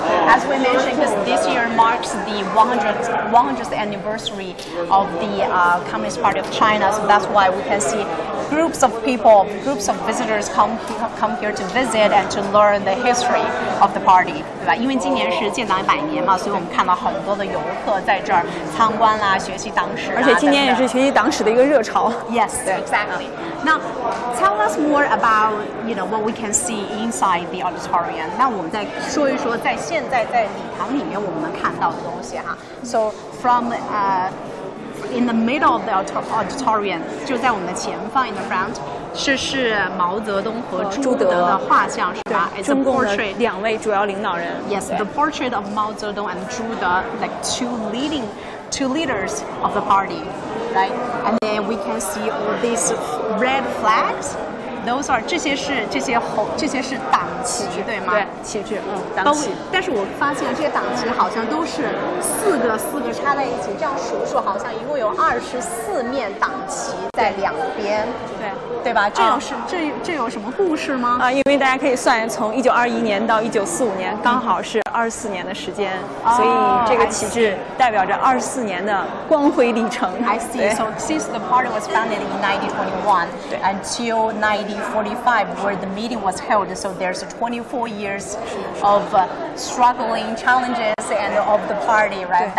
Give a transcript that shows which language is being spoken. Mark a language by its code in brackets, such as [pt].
[en] As we mentioned, because this year marks the 100th anniversary of the Communist Party of China, so that's why we can see groups of visitors come here to visit and to learn the history of the party. [zh] 对吧？因为今年是建党百年嘛，所以我们看到很多的游客在这儿参观啦，学习党史。而且今年也是学习党史的一个热潮。 [en] Yes, exactly. Now, tell us more about, you know, what we can see inside the auditorium. [zh] 那我们再说一说在现在在礼堂里面我们能看到的东西哈。 [en] So, from, in the middle of the auditorium, [zh] 就在我们的前方 [en] in the front, [zh] 是毛泽东和朱德的画像，是吧？对，中共的两位主要领导人。 [en] Yes, the portrait of Mao Zedong and 朱德, like two leaders of the party, right? And then we can see all these red flags. Those are [zh] 这些是党旗，对吗？对，旗帜，党旗。但是我发现这些党旗好像都是四个插在一起，这样数数好像一共有24面党旗在两边。对吧？这有什么故事吗？因为大家可以算，从1921年到1945年，刚好是24年的时间，所以这个旗帜代表着24年的光辉历程。 [en] I see. So since the party was founded in 1921 until 1945, where the meeting was held, so there's 24 years of struggling, challenges, and of the party, right?